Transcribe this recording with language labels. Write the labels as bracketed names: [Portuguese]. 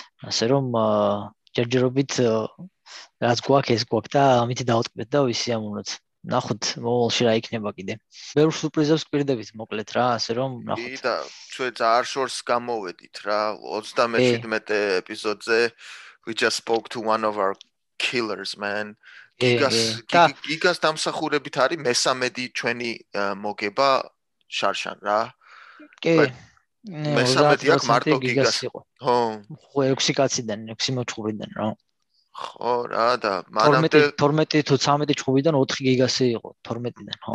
[Georgian] ასე რომ ჯერჯერობით რაც გვაქვს ეს გვაქვს და ამით დავტკბეთ და ვისიამოვნოთ. ნახოთ მომავალში რა იქნება კიდე. ბევრ სურპრიზებს გვყიდებით მოკლედ რა, ასე რომ ნახოთ. კი და ჩვენ ძალიან შორს გამოვედით რა 37 ეპიზოდზე. [English] We just spoke to one of our killers, man. [Georgian] Gigas დამსახურებით არის მესამედი ჩვენი მოგება შარშან რა. კი. მესამედი აქ მარტო გიგას იყო. ხო. ხო 6 კაციდან, 6 მოჩხუბიდან რა. ხო რა და მანამდე 12 თუ 13 ჩხუბიდან 4 გიგასი იყო 12-დან ხო.